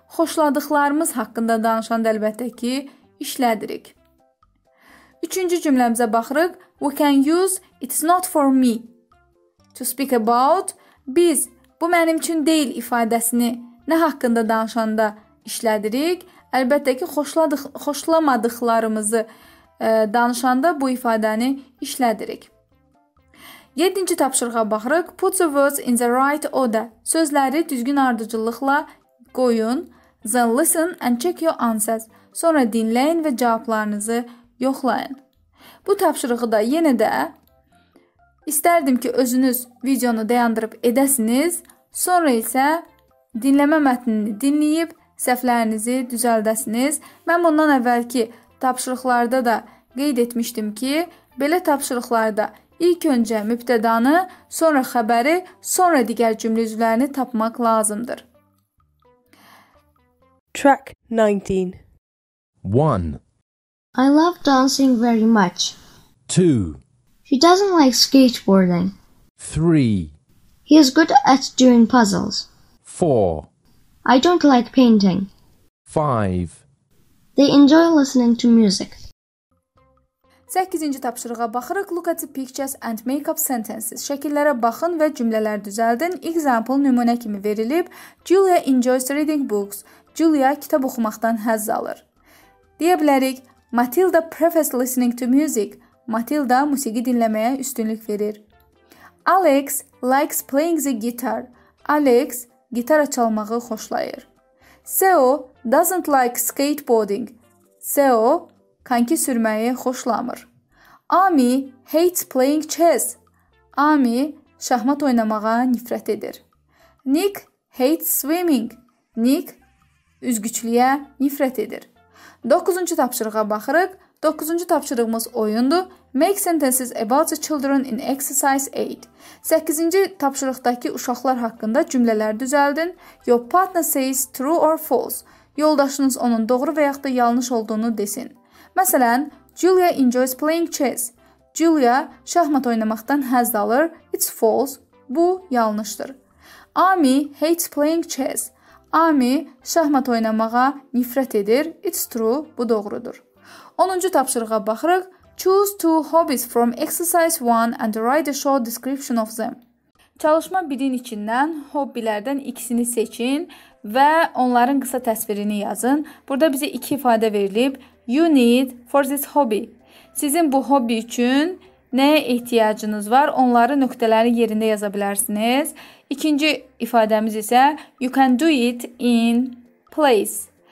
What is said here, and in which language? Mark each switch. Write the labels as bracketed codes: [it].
[az] Xoşladıqlarımız haqqında danışanda əlbəttə ki, işlədirik. Üçüncü cümləmizə baxırıq. [en] We can use it's not for me to speak about. [az] Biz bu mənim üçün deyil ifadəsini nə haqqında danışanda işlədirik. Əlbəttə ki, xoşlamadıqlarımızı danışanda bu ifadəni işlədirik. Yedinci tapşırığa baxırıq. [en] Put the words in the right order. [az] Sözləri düzgün ardıcıllıqla qoyun. [en] Then listen and check your answers. [az] Sonra dinləyin və cavablarınızı yoxlayın. Bu tapşırığı da yenə də istərdim ki, özünüz videonu dayandırıb edəsiniz. Sonra isə dinləmə mətnini dinləyib, səhvlərinizi düzəldəsiniz. Mən bundan əvvəlki tapşırıqlarda da qeyd etmişdim ki, belə tapşırıqlarda ilk öncə mübtədanı, sonra xəbəri, sonra digər cümlə üzvlərini tapmaq lazımdır. [en] Track 19 1 I love dancing very much. 2. He doesn't like skateboarding. 3. He is good at doing puzzles. 4. I don't like painting. 5. They enjoy listening to music. [az] 8-ci tapşırığa baxırıq. [en] Look at the pictures and make up sentences. [az] Şəkillərə baxın və cümlələr düzəldin. Example nümunə kimi verilib. [en] Julia enjoys reading books. [az] Julia kitab oxumaqdan həzz alır. Deyə bilərik. [en] Matilda prefers listening to music. [az] Matilda musiqi dinləməyə üstünlük verir. [en] Alex likes playing the guitar. [az] Alex gitara çalmağı xoşlayır. [en] Seo doesn't like skateboarding. [az] Seo konki sürməyi xoşlamır. [en] Ami hates playing chess. [az] Ami şahmat oynamağa nifrət edir. [en] Nick hates swimming. [az] Nick üzgüçlüyə nifrət edir. 9-cu tapşırığa baxırıq. 9-cu tapşırığımız oyundur. [en] Make sentences about the children in exercise 8. [az] 8-ci tapşırıqdakı uşaqlar haqqında cümlələr düzəldin. [en] Your partner says true or false. [az] Yoldaşınız onun doğru və yaxud da yanlış olduğunu desin. Məsələn, [en] Julia enjoys playing chess. [az] Julia şahmat oynamaqdan həzz alır. [en] It's false. [az] Bu, yanlışdır. [en] Amy hates playing chess. [az] Amy şahmat oynamağa nifrət edir. [en] It's true. [az] Bu, doğrudur. 10-cu tapşırığa baxırıq. [en] Choose two hobbies from exercise 1 and write a short description of them. [az] Çalışma 1-in içindən hobbilərdən ikisini seçin və onların qısa təsvirini yazın. Burada bizə iki ifadə verilib. [en] You need for this hobby. [az] Sizin bu hobby üçün nəyə ehtiyacınız var? Onları nöqtələri yerində yaza bilərsiniz. İkinci ifadəmiz isə [en] you can do it in place.